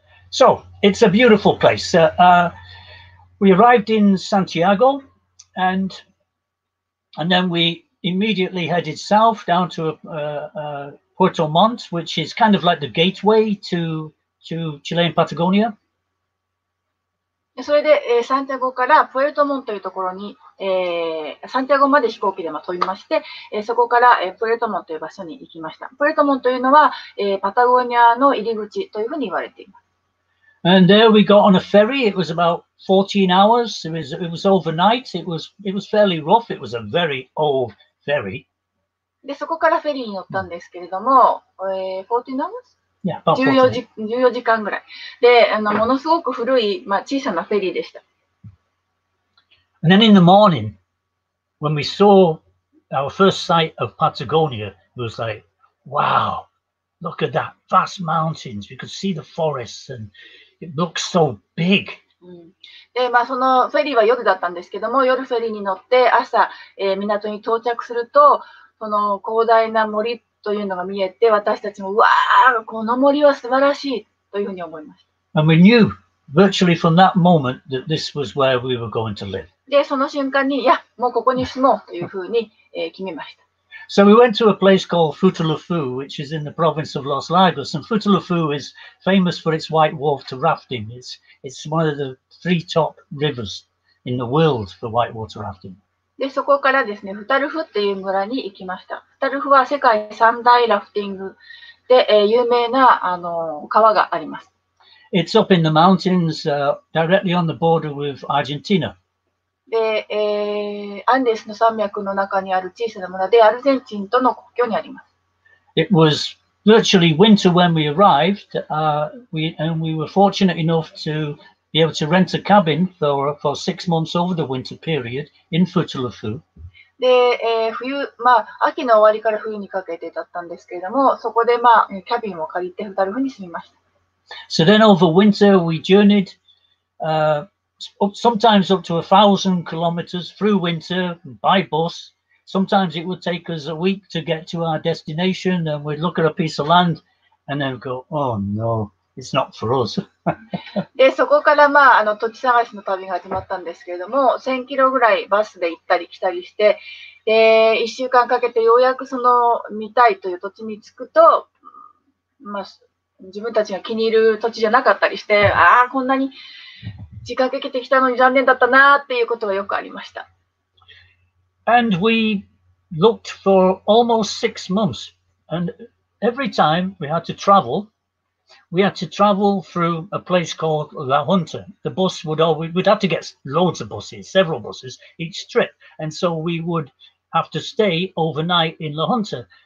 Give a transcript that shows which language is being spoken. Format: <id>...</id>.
<en>So it's a beautiful place. We arrived in Santiago and then we immediately headed south down to Puerto Montt, which is kind of like the gateway to Chilean Patagonia.</en> <ja>それで、サンティアゴからプエルトモンというところに、サンティアゴまで飛行機で飛びまして、そこから、プエルトモンという場所に行きました。プエルトモンというのは、パタゴニアの入り口というふうに言われています。</ja> <en>And there we got on a ferry. It was about 14 hours. It was overnight. It was fairly rough. It was a very old ferry.</en> <ja>で、そこからフェリーに乗ったんですけれども、</ja> <en>14 hours? Yeah, about 14 hours.</en> <ja>14時間ぐらい。で、ものすごく古い、まあ、小さなフェリーでした。</ja> <en>And then in the morning, when we saw our first sight of Patagonia, it was like, wow, look at that vast mountains. We could see the forests andIt looks so big.</en> <ja>で、まあ、そのフェリーは夜だったんですけども、夜フェリーに乗って朝、港に到着すると、その広大な森というのが見えて、私たちもわー、この森は素晴らしいというふうに思いました。</ja> <en>And we knew virtually from that moment that this was where we were going to live.</en> <ja>で、その瞬間に、いや、もうここに住もうというふうに決めました。</ja> <en>So we went to a place called Futaleufú, which is in the province of Los Lagos. And Futaleufú is famous for its white water rafting. It's one of the three top rivers in the world for white water rafting.</en> <ja>で、そこからですね、フタルフっていう村に行きました。フタルフは世界三大ラフティングで、有名な、川があります。</ja> <en>It's up in the mountains, directly on the border with Argentina.</en> <ja>で、アンデスの山脈の中にある小さな村でアルゼンチンとの国境にあります。</ja> <en>It was virtually winter when we arrived, and we were fortunate enough to be able to rent a cabin for 6 months over the winter period in Futaleufú.</en> <ja>で、冬、まあ、秋の終わりから冬にかけてだったんですけれども、そこで、まあ、キャビンを借りてフタルフに住みました。</ja> <en>So then over winter we journeyed, Sometimes up to 1,000 kilometers through winter by bus. Sometimes it would take us a week to get to our destination, and we'd look at a piece of land and then go, oh no, it's not for us.</en> <ja>で、そこから、まあ、土地探しの旅が始まったんですけれども、1000キロぐらいバスで行ったり来たりして、1週間かけてようやくその見たいという土地に着くと、まあ、自分たちが気に入る土地じゃなかったりして、ああ、こんなに。時間かけてきたのに残念だったなっていうことがよくありました。</ja> <en>And we looked for almost 6 months, and every time we had to travel, We had to travel through a place called La Junta. The bus would always, we'd have to get loads of buses, several buses each trip. And so we would have to stay overnight in La Junta.</en>